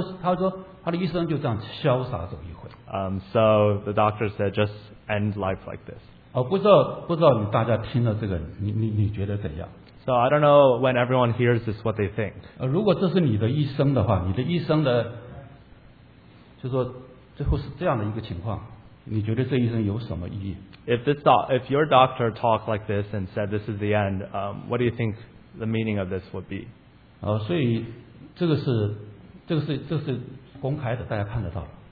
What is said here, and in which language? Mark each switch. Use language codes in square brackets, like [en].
[zh] 他说就这样子，他说潇洒走一回，因为很酷，我觉得。他的医生就这样潇洒走一回。 [en] So the doctor said just end life like this. [zh] 不知道你大家听了这个，你觉得怎样？ [en] So I don't know when everyone hears this, what they think. [zh] 如果这是你的医生的话，你的医生的。就说最后是这样的一个情况，你觉得这医生有什么意义？ [en] If your doctor talked like this and said this is the end, what do you think the meaning of this would be? [zh] 所以这个是公开的，大家看得到。